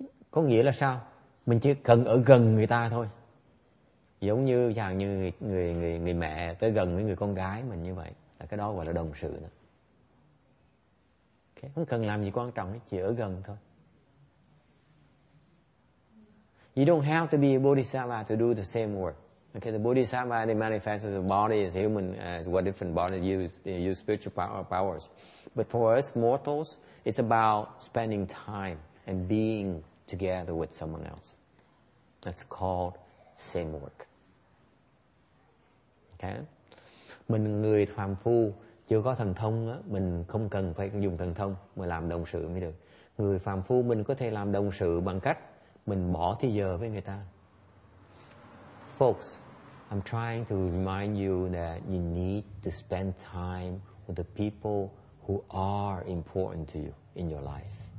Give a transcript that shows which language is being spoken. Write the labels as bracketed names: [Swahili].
[Vietnamese] Có nghĩa là sao? Mình chỉ cần ở gần người ta thôi. Giống như chẳng như người mẹ tới gần với người con gái mình như vậy. Là cái đó gọi là đồng sự đó. Không cần làm gì quan trọng, chỉ ở gần thôi. [English] You don't have to be a bodhisattva to do the same work. Okay, the bodhisattva, they manifest as a body, as human, as what different bodies use, they use spiritual powers. But for us mortals, it's about spending time and being together with someone else. That's called same work. Okay? [Vietnamese] Mình người phàm phu, chưa có thần thông á, mình không cần phải dùng thần thông mà làm đồng sự mới được. Người phàm phu mình có thể làm đồng sự bằng cách mình bỏ thời giờ với người ta. [English] Folks, I'm trying to remind you that you need to spend time with the people who are important to you in your life.